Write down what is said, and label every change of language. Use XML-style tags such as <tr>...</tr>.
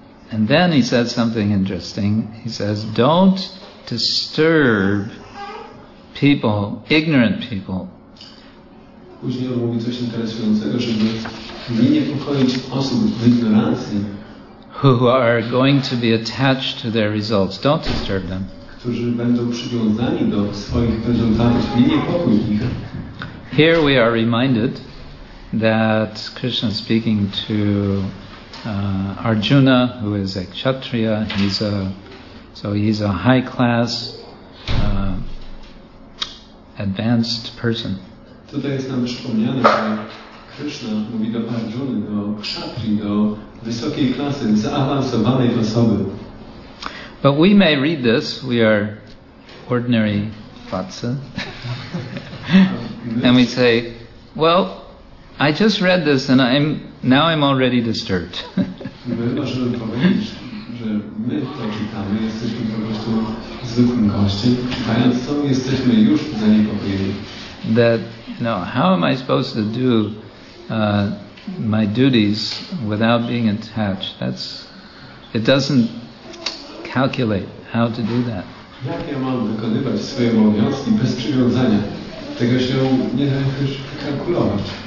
<en>And then he says something interesting. He says, don't disturb people, ignorant people.</en> <pl>Później on mówi coś interesującego, żeby nie niepokoić osób w ignorancji,</pl> <en>who are going to be attached to their results. Don't disturb them.</en> <pl>Którzy będą przywiązani do swoich rezultatów, nie niepokój ich.</pl> <en>Here we are reminded that Krishna is speaking to Arjuna, who is a kshatriya, he's a high class, advanced person.</en> <pl>Tutaj jest nam przypomniane, że Krishna mówi do Arjuny, do kshatri, do wysokiej klasy, zaawansowanej osoby.</pl> <en>But we may read this, we are ordinary facet, and we say, well, I just read this and I'm already disturbed.</en> <pl>My możemy powiedzieć, że my to czytamy, jesteśmy po prostu zwykłym gościem, czytając to jesteśmy już zaniepokojeni.</pl> <en>That, you know, how am I supposed to do my duties without being attached? That's, it doesn't calculate how to do that.</en> <pl>Jak ja mam wykonywać swoje obowiązki bez przywiązania? Tego się nie da już kalkulować.</pl>